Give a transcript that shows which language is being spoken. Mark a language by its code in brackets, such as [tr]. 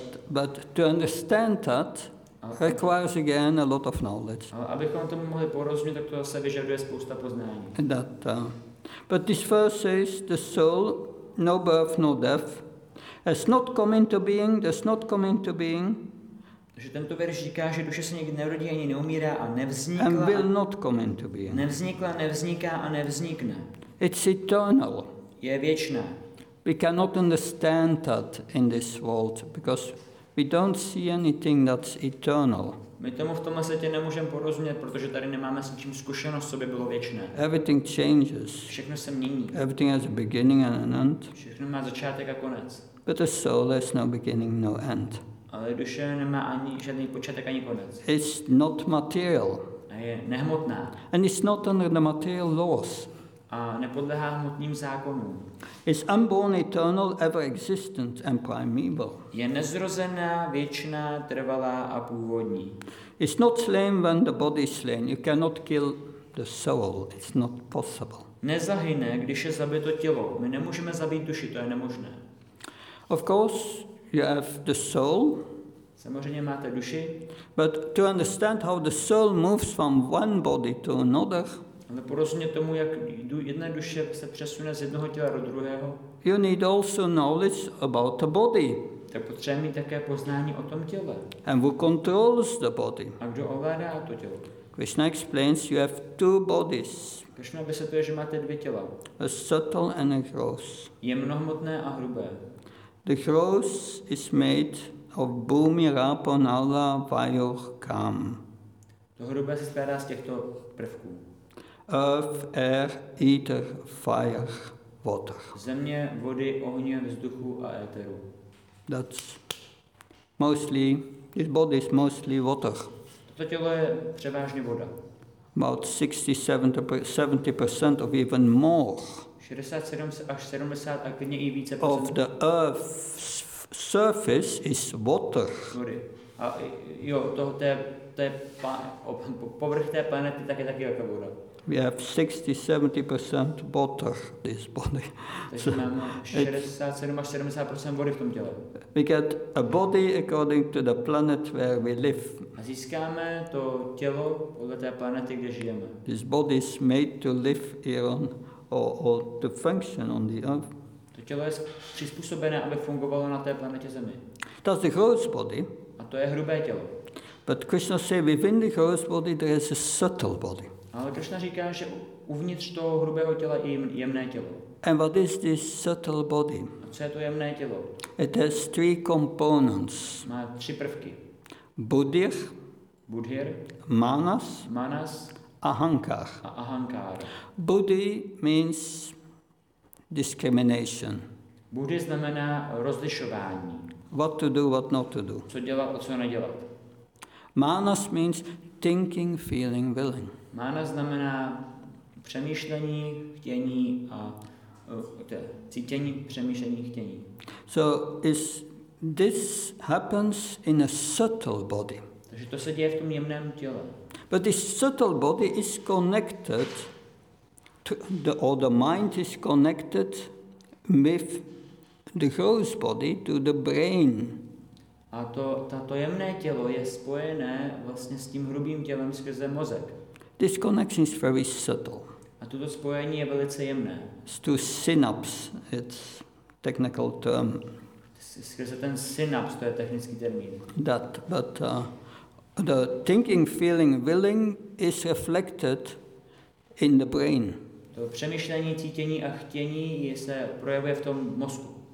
[en] But to understand that requires again a lot of knowledge. [cs] Ale abychom tomu mohli porozumět, tak to zase vyžaduje spousta poznání. [en] But this verse says the soul, no birth, no death, has not come into being, does not come into being. [cs] Že tento verš říká, že duše se nikdy nerodí ani neumírá a nevznikla. [en] And will not come into being. [cs] Nevznikla, nevzniká a nevznikne. [en] It's eternal. [cs] Je věčná. [en] We cannot understand that in this world because we don't see anything that's eternal. [cs] My tomu v tomhle světě nemůžeme porozumět, protože tady nemáme s ničím zkušenost, co by bylo věčné. [en] Everything changes. [cs] Všechno se mění. [en] Everything has a beginning and an end. [cs] Všechno má začátek a konec. [en] But the soul has no beginning, no end. [cs] Ale duše nemá ani žádný počátek ani konec. [en] It's not material. [cs] A je nehmotná. [en] And it's not under the material laws. [cs] A nepodléhá hmotným zákonům. [en] It's unborn, eternal, ever existent and primeval. [cs] Je nezrozená, věčná, trvalá a původní. [en] It's not slain when the body is slain. You cannot kill the soul. It's not possible. [cs] Nezahyne, když je zabito tělo. My nemůžeme zabít duši, to je nemožné. [en] Of course, you have the soul. [cs] Samozřejmě máte duši. [en] But to understand how the soul moves from one body to another. [cs] Ale porozumět tomu, jak jedna duše se přesune z jednoho těla do druhého. [en] You need also knowledge about the body. [cs] Tak potřebuje mít také poznání o tom těle. [en] And who controls the body. [cs] A kdo ovládá to tělo. [en] Krishna explains you have two bodies. [cs] Krishna vysvětluje, že máte dvě těla. [en] A subtle and a gross. [cs] Jemnohmotné a hrubé. [en] The gross is made of bhumi, rapa, nala, vayur, kam. [cs] To hrubé se skládá z těchto prvků. [en] Earth, air, ether, fire, water. [cs] Země, vody, ohně, vzduchu a éteru. [en] That's mostly, this body is mostly water. [cs] To To tělo je převážně voda. [en] About 60-70% of even more. [cs] 67-70 a klidně i více [en] procent. Of the earth's surface is water. [cs] Vody. A jo, toho té povrch té planety tak je taky jako voda. [en] We have 60-70% water in this body. [cs] Takže máme 67-70% vody v tom těle. [en] We get a body according to the planet where we live. [cs] A získáme to tělo podle té planety, kde žijeme. [en] This body is made to live here on, or to function on the earth. [cs] To tělo je přizpůsobené, aby fungovalo na té planetě Zemi. [en] That's the gross body. [cs] A to je hrubé tělo. [en] But Krishna says within the gross body there is a subtle body. [cs] Ale Krishna říká, že uvnitř toho hrubého těla je jemné tělo. [en] And what is this subtle body? [cs] A co je to jemné tělo? [en] It has three components. [cs] Má tři prvky. [sa] Buddhir. Manas. Ahankar. [cs] A ahankar. [en] Buddhi means discrimination. [cs] Buddhi znamená rozlišování. [en] What to do, what not to do. [cs] Co dělat a co nedělat. [en] Manas means thinking, feeling, willing. [cs] Mána znamená přemýšlení, chtění a cítění, přemýšlení, chtění. [en] So is this happens in a subtle body. [cs] Takže to se děje v tom jemném těle. [en] But this subtle body is connected to the, or the mind is connected with the gross body to the brain. [cs] A to jemné tělo je spojené vlastně s tím hrubým tělem skrze mozek. [en] This connection is very subtle. [cs] A toto spojení je velice jemné. [en] It's to synapse, it's technical term. [cs] Skrze ten synapse, to je technický termín. [en] That, but the thinking, feeling, willing is reflected in the brain. [cs] To přemýšlení, cítění a chtění se projevuje v tom mozku.